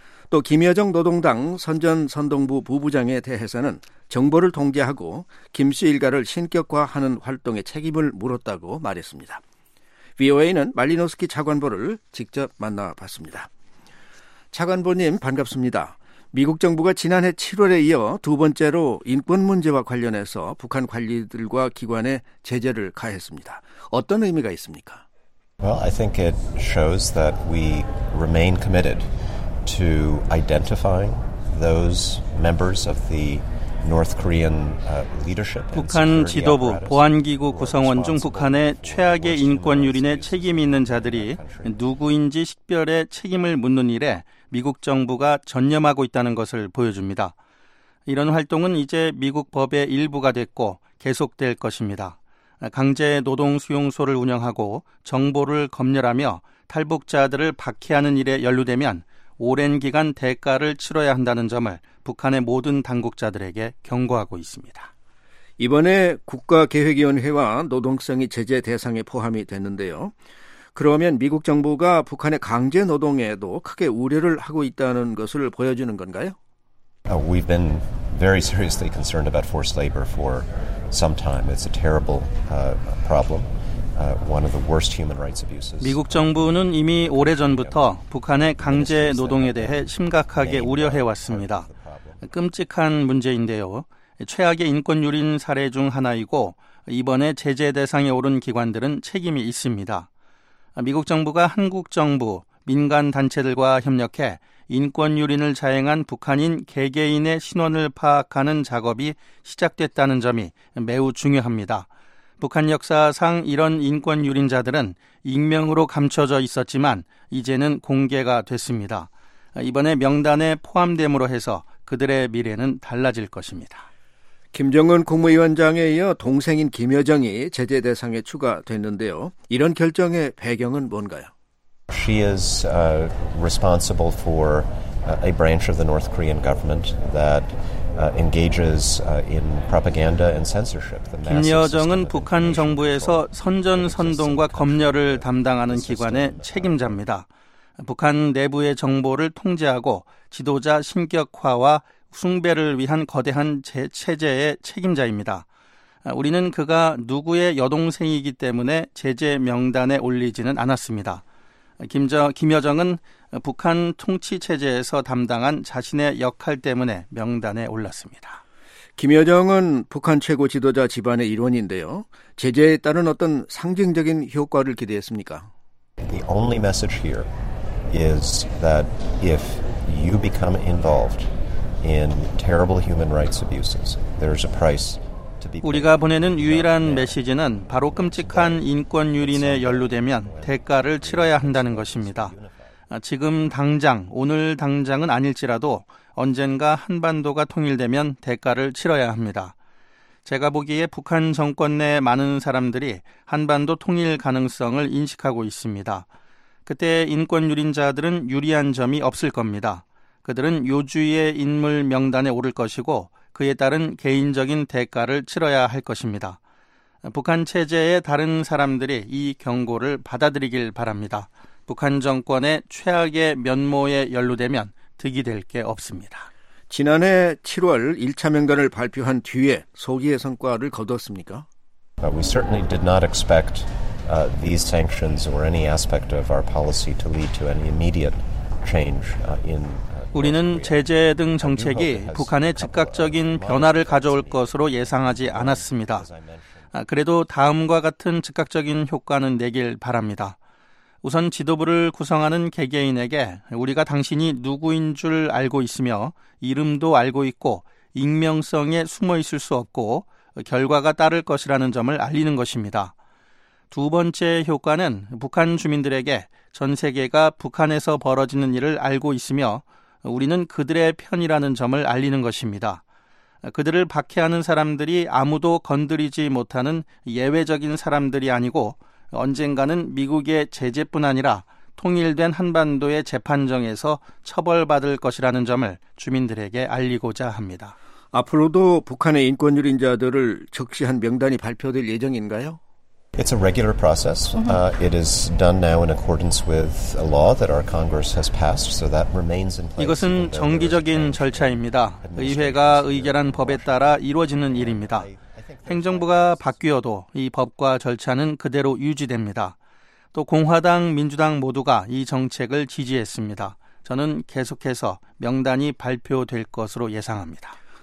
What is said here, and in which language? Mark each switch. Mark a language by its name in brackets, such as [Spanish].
[Korean] 또 김여정 노동당 선전선동부 부부장에 대해서는 정보를 통제하고 김 씨 일가를 신격화하는 활동에 책임을 물었다고 말했습니다. VOA는 말리노스키 차관보를 직접 만나봤습니다. 차관보님 반갑습니다. 미국 정부가 지난해 7월에 이어 두 번째로 인권 문제와 관련해서 북한 관리들과 기관에 제재를 가했습니다. 어떤 의미가 있습니까? [English] Well, I think it shows that we remain committed to identifying those members of the North Korean leadership. [Korean] 북한 지도부, 보안기구 구성원 중 북한의 최악의 인권 유린에 책임이 있는 자들이 누구인지 식별에 책임을 묻는 일에 미국 정부가 전념하고 있다는 것을 보여줍니다. 이런 활동은 이제 미국 법의 일부가 됐고 계속될 것입니다. 강제 노동 수용소를 운영하고 정보를 검열하며 탈북자들을 박해하는 일에 연루되면 오랜 기간 대가를 치러야 한다는 점을 북한의 모든 당국자들에게 경고하고 있습니다. 이번에 국가계획위원회와 노동성이 제재 대상에 포함이 됐는데요. 그러면 미국 정부가 북한의 강제 노동에도 크게 우려를 하고 있다는 것을 보여주는 건가요? [English] We've been very seriously concerned about forced labor for some time. It's a terrible problem. One of the worst human rights abuses. [Korean] 미국 정부는 이미 오래전부터 북한의 강제 노동에 대해 심각하게 우려해 왔습니다. 끔찍한 문제인데요. 최악의 인권 유린 사례 중 하나이고 이번에 제재 대상에 오른 기관들은 책임이 있습니다. 미국 정부가 한국 정부, 민간 단체들과 협력해 인권 유린을 자행한 북한인 개개인의 신원을 파악하는 작업이 시작됐다는 점이 매우 중요합니다. 북한 역사상 이런 인권 유린자들은 익명으로 감춰져 있었지만 이제는 공개가 됐습니다. 이번에 명단에 포함됨으로 해서 그들의 미래는 달라질 것입니다. 김정은 국무위원장에 이어 동생인 김여정이 제재 대상에 추가됐는데요. 이런 결정의 배경은 뭔가요? [English] She is responsible for a branch of the North Korean government that engages in propaganda and censorship. [Korean] 김여정은 북한 정부에서 선전선동과 검열을 담당하는 기관의 책임자입니다. 북한 내부의 정보를 통제하고 지도자 신격화와 숭배를 위한 거대한 체제의 책임자입니다. 우리는 그가 누구의 여동생이기 때문에 제재 명단에 올리지는 않았습니다. 김여정은 북한 통치체제에서 담당한 자신의 역할 때문에 명단에 올랐습니다. 김여정은 북한 최고 지도자 집안의 일원인데요. 제재에 따른 어떤 상징적인 효과를 기대했습니까? [English] The only message here is that if you become involved in terrible human rights abuses, there is a price to be paid. [Korean] 우리가 보내는 유일한 메시지는 바로 끔찍한 인권 유린에 연루되면 대가를 치러야 한다는 것입니다. 지금 당장, 오늘 당장은 아닐지라도 언젠가 한반도가 통일되면 대가를 치러야 합니다. 제가 보기에 북한 정권 내 많은 사람들이 한반도 통일 가능성을 인식하고 있습니다. 그때 인권 유린자들은 유리한 점이 없을 겁니다. 그들은 요주의 인물 명단에 오를 것이고 그에 따른 개인적인 대가를 치러야 할 것입니다. 북한 체제의 다른 사람들이 이 경고를 받아들이길 바랍니다. 북한 정권의 최악의 면모에 연루되면 득이 될 게 없습니다. 지난해 7월 1차 명단을 발표한 뒤에 소기의 성과를 거두었습니까? [English] We certainly did not expect these sanctions or any aspect of our policy to lead to an immediate change in [Korean] 우리는 제재 등 정책이 북한에 즉각적인 변화를 가져올 것으로 예상하지 않았습니다. 그래도 다음과 같은 즉각적인 효과는 내길 바랍니다. 우선 지도부를 구성하는 개개인에게 우리가 당신이 누구인 줄 알고 있으며 이름도 알고 있고 익명성에 숨어 있을 수 없고 결과가 따를 것이라는 점을 알리는 것입니다. 두 번째 효과는 북한 주민들에게 전 세계가 북한에서 벌어지는 일을 알고 있으며 우리는 그들의 편이라는 점을 알리는 것입니다. 그들을 박해하는 사람들이 아무도 건드리지 못하는 예외적인 사람들이 아니고 언젠가는 미국의 제재뿐 아니라 통일된 한반도의 재판정에서 처벌받을 것이라는 점을 주민들에게 알리고자 합니다. 앞으로도 북한의 인권 유린자들을 적시한 명단이 발표될 예정인가요? [English] It's a regular process. It is done now in accordance with a law that our Congress has passed, so that remains in place. [Korean] 이것은 정기적인 절차입니다. 의회가 의결한 법에 따라 이루어지는 일입니다. 행정부가 바뀌어도 이 법과 절차는 그대로 유지됩니다. 또 공화당, 민주당 모두가 이 정책을 지지했습니다. 저는 계속해서 명단이 발표될 것으로 예상합니다.